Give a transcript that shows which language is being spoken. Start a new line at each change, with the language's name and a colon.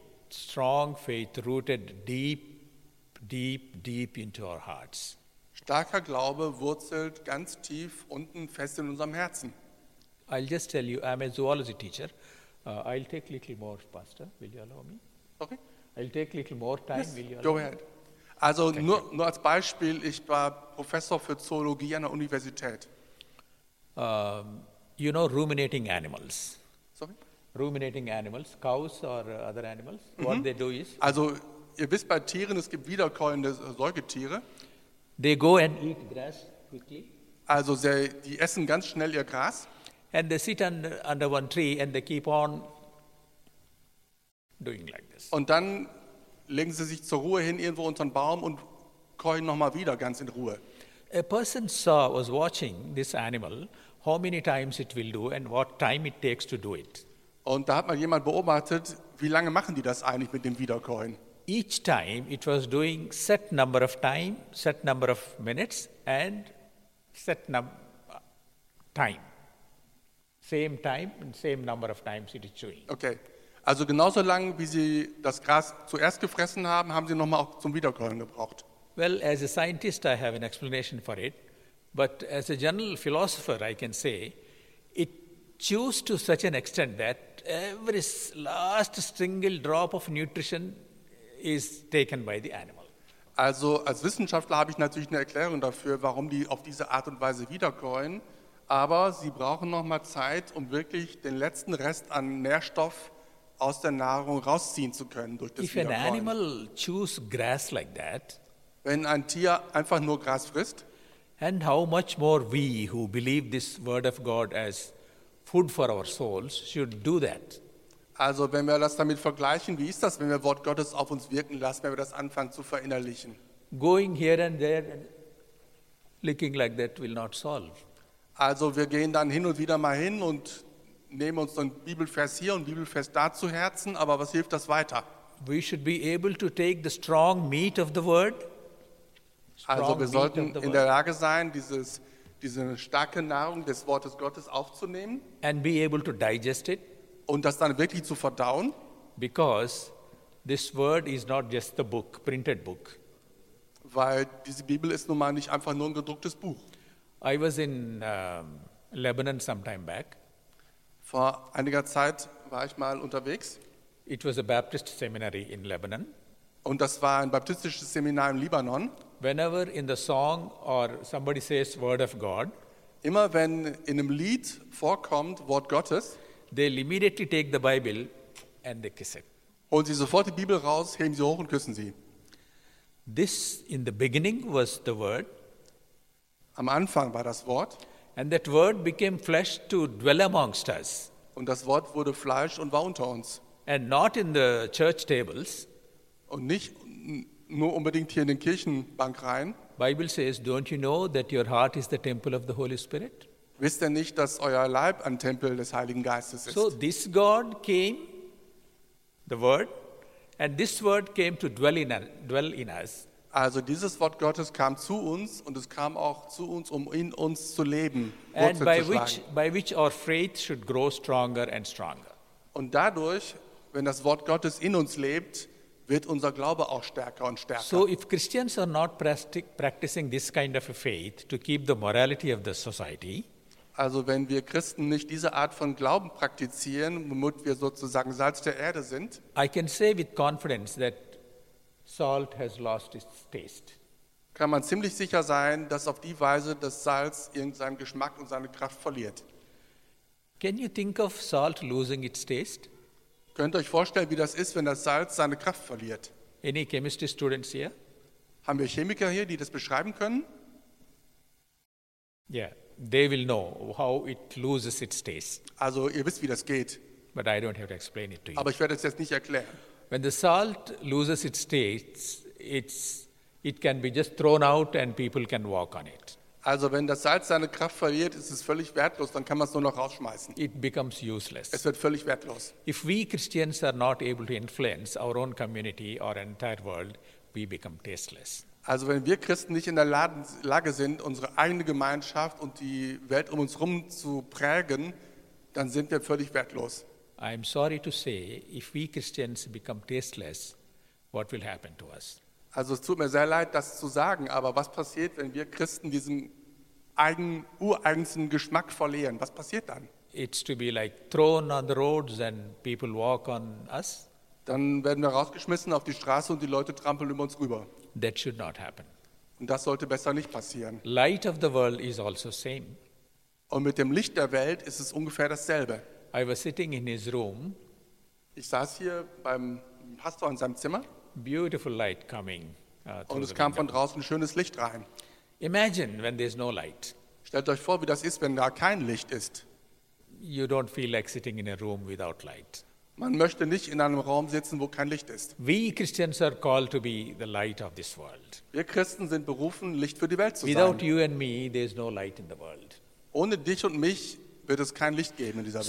English: Strong faith rooted deep, deep, deep into our hearts.
German: Starker Glaube wurzelt ganz tief unten fest in unserem Herzen.
English: I'll just tell you, I'm a zoology teacher. I'll take a little more, Pastor, will you allow me? Okay. I'll take a little more time. Yes, will you go ahead.
German: Also okay. nur als Beispiel, ich war Professor für Zoologie an der Universität.
English: You know ruminating animals. Sorry? Ruminating animals, cows or other animals. Mm-hmm. What they do is...
German: Also ihr wisst bei Tieren, es gibt wiederkäuende Säugetiere.
English: They go and eat grass quickly.
German: Also die essen ganz schnell ihr Gras.
English: And they sit under one tree and they keep on... doing like this.
German: Und dann legen sie sich zur Ruhe hin irgendwo unter den Baum und keuchen noch mal wieder ganz in Ruhe.
English: A person saw was watching this animal how many times it will do and what time it takes to do it.
German: Und da hat man jemand beobachtet, wie lange machen die das eigentlich mit dem Wiederkäuen?
English: Each time it was doing set number of time, set number of minutes and set time. Same time and same number of times it is chewing. Okay.
German: Also genauso lang, wie sie das Gras zuerst gefressen haben, haben sie nochmal auch zum Wiederkäuen gebraucht.
English: Well, as a scientist, I have an explanation for it. But as a general philosopher, I can say, it chews to such an extent that every last single drop of nutrition is taken by the animal.
German: Also als Wissenschaftler habe ich natürlich eine Erklärung dafür, warum die auf diese Art und Weise wiederkäuen. Aber sie brauchen noch mal Zeit, um wirklich den letzten Rest an Nährstoff aus der Nahrung rausziehen zu können durch das Wiederkäuen.
English: If an animal chews grass like that,
German: wenn ein Tier einfach nur Gras frisst,
English: and how much more we who believe this word of God as food for our souls should do that.
German: Also wenn wir das damit vergleichen, wie ist das, wenn wir Wort Gottes auf uns wirken lassen, wenn wir das anfangen zu verinnerlichen?
English: Going here and there and licking like that will not solve.
German: Also wir gehen dann hin und wieder mal hin und nehmen uns ein Bibelvers hier und Bibelvers da zu Herzen, aber was hilft das weiter?
English: We should be able to take the strong meat of the word.
German: Also wir sollten in der Lage sein, diese starke Nahrung des Wortes Gottes aufzunehmen.
English: And be able to digest it.
German: Und das dann wirklich zu verdauen.
English: Because this word is not just the book, printed book.
German: Weil diese Bibel ist nun mal nicht einfach nur ein gedrucktes Buch.
English: I was in Lebanon some time back.
German: Vor einiger Zeit war ich mal unterwegs.
English: It was a Baptist seminary in Lebanon.
German: Und das war ein baptistisches Seminar im Libanon.
English: Whenever in the song or somebody says word of God,
German: immer wenn in einem Lied vorkommt Wort Gottes,
English: they'll immediately take the Bible and they kiss it.
German: Holen sie sofort die Bibel raus, heben sie hoch und küssen sie.
English: This in the beginning was the word.
German: Am Anfang war das Wort.
English: And that word became flesh to dwell amongst us.
German: Und das Wort wurde Fleisch und war unter uns.
English: And not in the church tables.
German: Und nicht nur unbedingt hier in den Kirchenbankreihen.
English: Bible says, don't you know that your heart is the temple of the Holy Spirit?
German: Wisst ihr nicht, dass euer Leib ein Tempel des Heiligen Geistes ist?
English: So this God came, the Word, and this Word came to dwell in us.
German: Also dieses Wort Gottes kam zu uns und es kam auch zu uns, um in uns zu leben, Wurzel
English: and by
German: zu schlagen.
English: By which our faith should grow stronger and stronger.
German: Und dadurch, wenn das Wort Gottes in uns lebt, wird unser Glaube auch stärker und stärker.
English: So if Christians are not practicing this kind of a faith to keep the morality of the society,
German: also wenn wir Christen nicht diese Art von Glauben praktizieren, womit wir sozusagen Salz der Erde sind,
English: I can say with confidence that salt has lost its taste.
German: Kann man ziemlich sicher sein, dass auf die Weise das Salz irgendeinen Geschmack und seine Kraft verliert.
English: Can you think of salt losing its taste?
German: Könnt ihr euch vorstellen, wie das ist, wenn das Salz seine Kraft verliert?
English: Any chemistry students here?
German: Haben wir Chemiker hier, die das beschreiben können?
English: Yeah, they will know how it loses its taste.
German: Also ihr wisst, wie das geht.
English: But I don't have to explain it to you.
German: Aber ich werde es jetzt nicht erklären.
English: When the salt loses its taste, it can be just thrown out and people can walk on it.
German: Also wenn das Salz seine Kraft verliert, ist es völlig wertlos, dann kann man es nur noch rausschmeißen.
English: It becomes useless.
German: Es wird völlig wertlos.
English: If we Christians are not able to influence our own community or entire world, we become tasteless.
German: Also wenn wir Christen nicht in der Lage sind, unsere eigene Gemeinschaft und die Welt um uns herum zu prägen, dann sind wir völlig wertlos.
English: I'm sorry to say, if we Christians become tasteless, what will happen to us?
German: Also es tut mir sehr leid, das zu sagen, aber was passiert, wenn wir Christen diesen ureigensten Geschmack verlieren? Was passiert dann?
English: It's to be like thrown on the roads and people walk on us.
German: Dann werden wir rausgeschmissen auf die Straße und die Leute trampeln über uns rüber.
English: That should not happen.
German: Und das sollte besser nicht passieren.
English: Light of the world is also same.
German: Und mit dem Licht der Welt ist es ungefähr dasselbe.
English: I was sitting in his room.
German: Ich saß hier beim Pastor in seinem Zimmer.
English: Beautiful light coming.
German: Und es kam von draußen schönes Licht rein.
English: Imagine when there's no light.
German: Stellt euch vor, wie das ist, wenn da kein Licht ist.
English: You don't feel like sitting in a room without light.
German: Man möchte nicht in einem Raum sitzen, wo kein Licht ist.
English: We Christians are called to be the light of this world.
German: Wir Christen sind berufen, Licht für die Welt zu sein.
English: Without you and me, there's no light in the world.
German: Ohne dich und mich wird es kein Licht geben in dieser Welt.